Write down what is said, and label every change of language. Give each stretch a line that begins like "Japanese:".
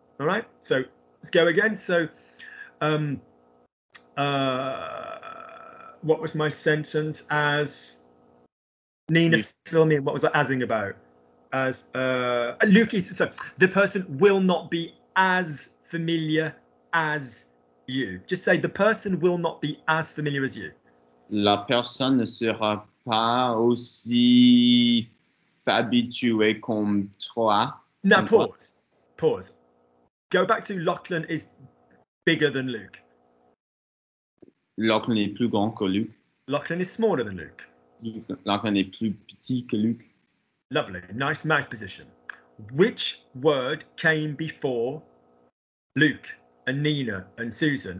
English: All right, so let's go again. So what was my sentence as? Nina, fill me in. What was I asking about? As Luke is, so the person will not be as familiar as you. Just say the person will not be as familiar as you.
French: La personne ne sera pas aussi habituée comme toi.
English: Now, pause. Go back to Lachlan is bigger than Luke.
French: Lachlan est plus grand que Luke.
English: Lachlan is smaller than Luke.
French: Lachlan est plus petit que Luke.
English: Lovely. Nice mouth position. Which word came before Luke and Nina and Susan?